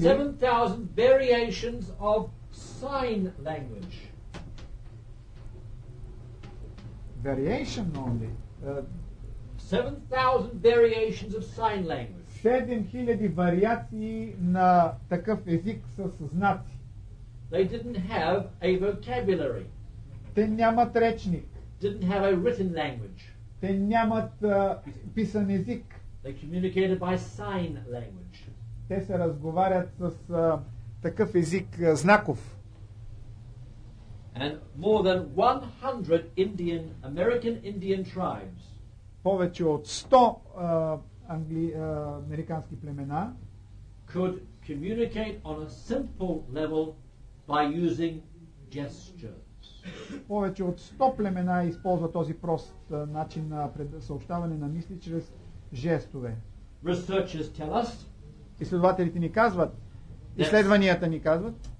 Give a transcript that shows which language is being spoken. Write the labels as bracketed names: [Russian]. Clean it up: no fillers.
[English] 7,000 variations of sign language. Variation only. 7,000 variations of sign language. [Bulgarian] 7,000 вариации на такъв език със знаци. [English] They didn't have a vocabulary. [Bulgarian] Те нямат речник. [English] Didn't have a written language. [Bulgarian] Те нямат писан език. [English] They communicated by sign language. [Bulgarian] Те се разговарят с такъв език знаков. [English] And more than 100 Indian, American Indian tribes. [Bulgarian] Повече от 100 американски племена [English] could communicate on a simple level by using gestures. [Bulgarian] Повече от 100 племена използва този прост начин на съобщаване на мисли чрез жестове. [English] Researchers tell us. [Bulgarian] Изследователите ни казват, изследванията ни казват,